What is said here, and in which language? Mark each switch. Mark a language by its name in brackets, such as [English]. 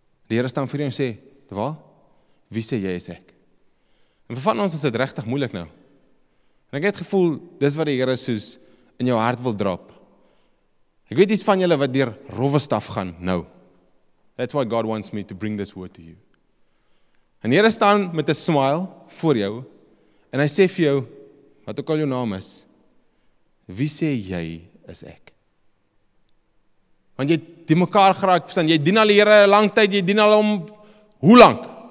[Afrikaans] Die Here staan voor jou en sê, waar? Wie sê jy is ek? En van ons is dit regtig moeilik nou. En ek het gevoel, dis wat die Here soos in jou hart wil drop. Ek weet iets van julle wat deur rowwe staf gaan nou. [English] That's why God wants me to bring this word to you. [Afrikaans] En Here staan met 'n smile voor jou en hy sê vir jou, wat ook al jou naam is, wie sê jy is ek? Want jy die mekaar geraak, verstaan, jy dien al die Here 'n lang tyd, jy dien al hom hoe lank?